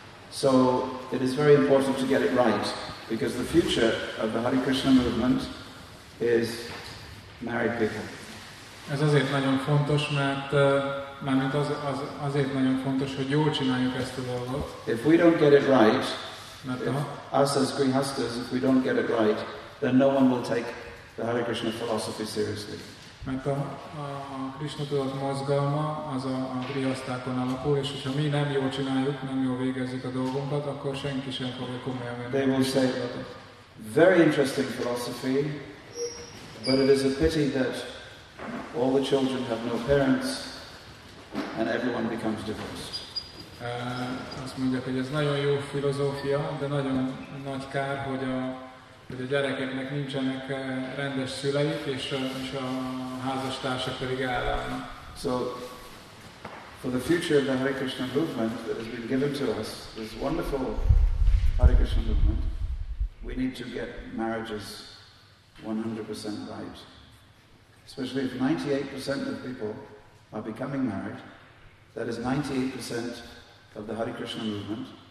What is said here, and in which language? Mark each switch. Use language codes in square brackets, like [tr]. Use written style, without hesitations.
[en] So it is very important to get it right, because the future of the Hare Krishna movement is married people. [hu] Ez azért nagyon fontos, mert mármint azért nagyon fontos, hogy jól csináljuk ezt a dolgot. [en] If we don't get it right, [hu] mert [en] if us as grihasthas, if we don't get it right, then no one will take the Hare Krishna philosophy seriously. [hu] Mert a Krishna tudat mozgalma az a grihasztákon alapul, és hogyha mi nem jól csináljuk, nem jól végezzük a dolgunkat, akkor senki sem fogja komolyan venni. [en] They will say, very interesting philosophy, but it is a pity that all the children have no parents and everyone becomes divorced. [hu] Azt mondják, hogy ez nagyon jó filozófia, de nagyon nagy kár, hogy a gyerekeknek nincsenek rendes szüleik, és a házastársak pedig elválnak. [en] So, for the future of the Hare Krishna movement that has been given to us, this wonderful Hare Krishna movement, we need to get marriages 100% right. Especially if 98% of people are becoming married, that is 98% of the Hare Krishna movement.